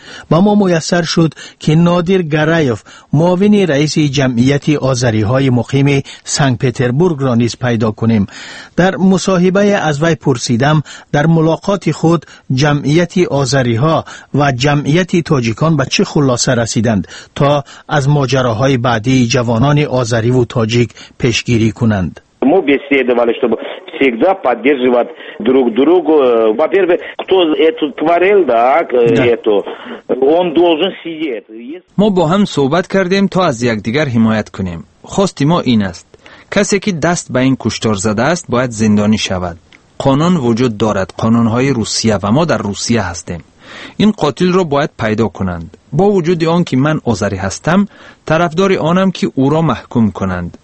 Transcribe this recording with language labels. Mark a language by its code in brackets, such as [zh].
[fa] با ما میسر شد که نادر گرایوف معاون رئیس جمعیت آذری های مقیم سن پترزبورگ را نیز پیدا کنیم. در مصاحبه از وی پرسیدم در ملاقات خود جمعیت آذری ها و جمعیت تاجیکان به چه خلاصه رسیدند تا از ماجراهای بعدی جوانان آذری و تاجیک پیشگیری کنند. [ru] Мы беседовали, чтобы всегда поддерживать друг друга. Во-первых, кто это творил, да, это, он должен сидеть. Мы [fa] با هم صحبت کردیم تا از یکدیگر حمایت کنیم. خواست ما این است. کسی که دست به این کشتار زده است باید زندانی شود. قانون وجود دارد. قانونهای روسیه و ما در روسیه هستیم. این قاتل را باید پیدا کنند. با وجود آن که من آذری هستم، طرفدار آنم که او را محکوم کنند.